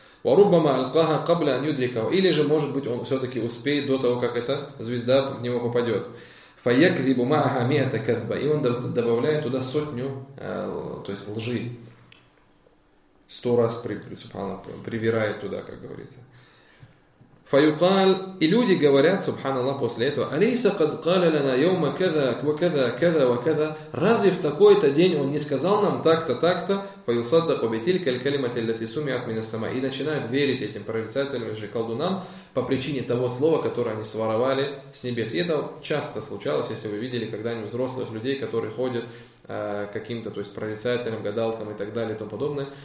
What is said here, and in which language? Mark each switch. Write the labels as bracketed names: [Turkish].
[Arabic] Варуббама аль-каха кабля ан юдрикаху. [Russian] Или же, может быть, он все-таки успеет до того, как эта звезда в него попадет. [Arabic] فَيَكْذِبُ مَعَهَا مِئَةَ كَذْبَ. [Russian] И он добавляет туда сотню, то есть лжи. Сто раз привирает туда, как говорится. [Arabic] فَيُقَالَ. [Russian] И люди говорят, субханаллах, после этого: [Arabic] أَلَيْسَ قَدْ قَالَ لَنَا يَوْمَ كَذَا وَكَذَا كَذَا وَكَذَا. [Russian] Разве в такой-то день он не сказал нам так-то, так-то? [Arabic] فَيُصَدَّقُ بِتِلْكَ الْكَلِمَةِ الَّتِي سُمِعَتْ مِنَ السَّمَاءِ. [Russian] И начинают верить этим прорицателям, же колдунам, по причине того слова, которое они своровали с небес. И это часто случалось, если вы видели когда-нибудь взрослых людей, которые ходят каким-то, то есть, прорицателям, гадалкам и так далее и тому подобное.